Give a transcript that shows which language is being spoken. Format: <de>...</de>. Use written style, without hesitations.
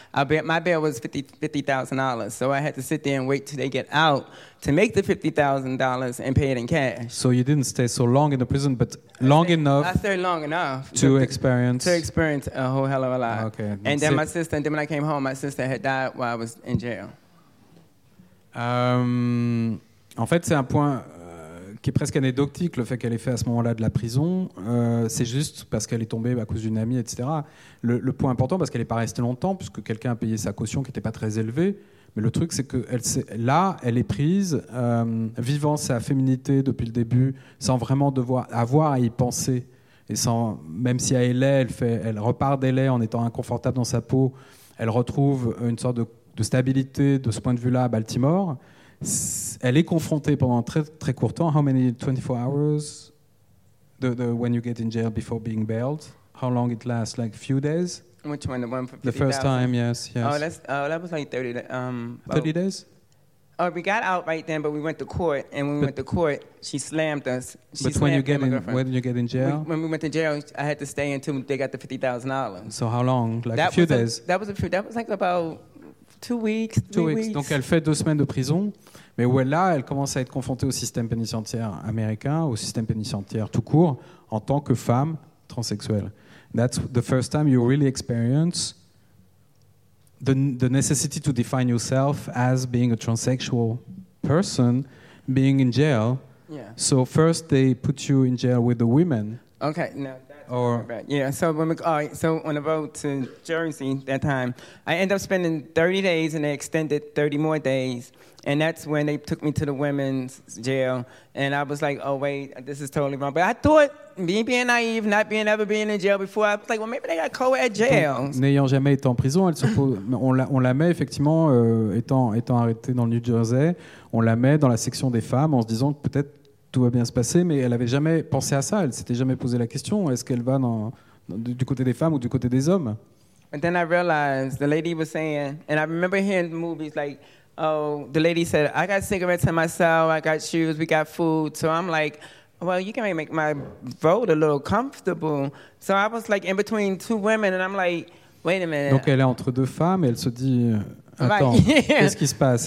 <en>My bail was $50,000, so I had to sit there and wait till they get out to make the $50,000 and pay it in cash. So you didn't stay so long in the prison, but I stayed long enough to experience a whole hell of a lot. Okay, and then when I came home, my sister had died while I was in jail.</en> <fr>En fait, c'est un point qui est presque anecdotique, le fait qu'elle ait fait à ce moment-là de la prison, c'est juste parce qu'elle est tombée à cause d'une amie, etc. Le point important, parce qu'elle n'est pas restée longtemps, puisque quelqu'un a payé sa caution qui n'était pas très élevée, mais le truc, c'est que elle est prise, vivant sa féminité depuis le début, sans vraiment devoir avoir à y penser, et sans, même si elle repart d'LA en étant inconfortable dans sa peau, elle retrouve une sorte de stabilité de ce point de vue-là à Baltimore. Elle est confrontée pendant très très court temps.</fr> <en>How many 24 hours? The when you get in jail before being bailed? How long it lasts? Like a few days? Which one? The one for 50, the first 000? Time? Yes, yes. That was like 30. 30 days? Oh, we got out right then, but we went to court, and when we went to court, she slammed us. When you get in jail? When we went to jail, I had to stay until they got the $50,000. So how long? Like that a few days? That was like about. Two weeks.</en> <fr>Donc elle fait deux semaines de prison, mais où elle là, elle commence à être confrontée au système pénitentiaire américain, au système pénitentiaire tout court, en tant que femme transsexuelle.</fr> <en>That's the first time you really experience the necessity to define yourself as being a transsexual person, being in jail. Yeah. So first they put you in jail with the women. Okay. No. Or yeah, so when so on the road to Jersey that time, I ended up spending 30 days and they extended 30 more days. And that's when they took me to the women's jail. And I was like, oh, wait, this is totally wrong. But I thought, being naive, not ever being in jail before, I was like, well, maybe they got co-ed jails.</en> <fr>N'ayant jamais été en prison, on la met effectivement, étant arrêtée dans le New Jersey, on la met dans la section des femmes en se disant que peut-être tout va bien se passer, mais elle n'avait jamais pensé à ça. Elle s'était jamais posé la question, est-ce qu'elle va du côté des femmes ou du côté des hommes.</fr> <en>And then I realized the lady was saying, and I remember hearing movies like, oh, the lady said, I got cigarettes in my cell, I got shoes, we got food. So I'm like, well, you can make my vote a little comfortable. So I was like in between two women, and I'm like, wait a minute.</en> <fr>Donc elle est entre deux femmes et elle se dit, attends, qu'est-ce qui se passe?</fr>